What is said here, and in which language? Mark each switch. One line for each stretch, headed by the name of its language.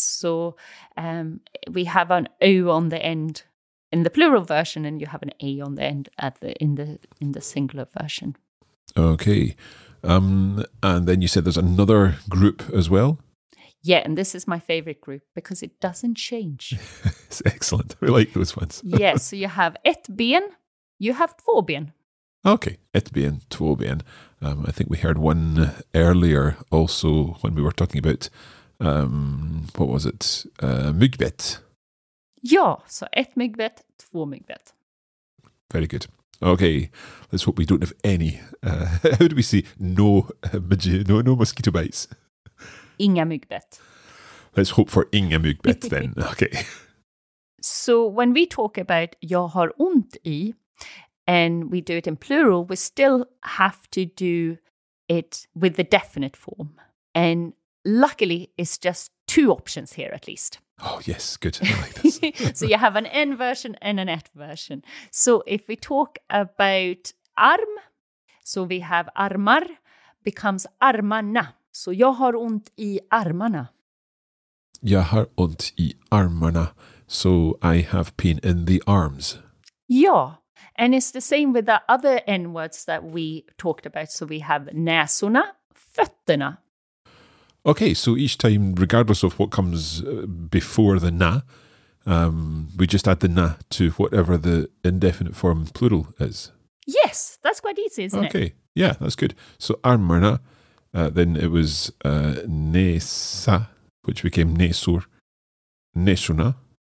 English: So we have an O on the end in the plural version, and you have an A on the end in the singular version. Okay. And then you said there's another group as well? Yeah, and this is my favourite group because it doesn't change. It's excellent. We like those ones. Yes, so you have
Swedish: ett ben,
English: you have
Swedish: två ben. Okay, etbien, tvåben.
English: I think we heard one earlier also when we were talking about, what was it, myggbett.
Swedish: Ja, så ett myggbett, två myggbett.
English: Very good. Okay, let's hope we don't have any. How do we say no mosquito bites?
Swedish: Inga myggbett.
English: Let's hope for
Swedish: inga myggbett
English: then. Okay. So when we talk about
Swedish: jag har ont I,
English: and we do it in plural, we still have to do it with the definite form. And luckily, it's just two options here at least. Oh, yes, good. I like this. So you have an N version and an ett version. So if we talk about arm, so we have armar becomes armarna.
Swedish: So jag har ont I armarna. Jag har ont I armarna.
English: So I have pain in the arms.
Swedish: Ja.
English: And it's the same with the other N words that we talked about. So we have näsorna, fötterna. Okay, so each time, regardless of what comes before the na, we just add the na to whatever the indefinite form plural is. Yes, that's quite easy, isn't it? Okay, yeah, that's good. So armarna, then it was näsa, which became näsor, näsorna.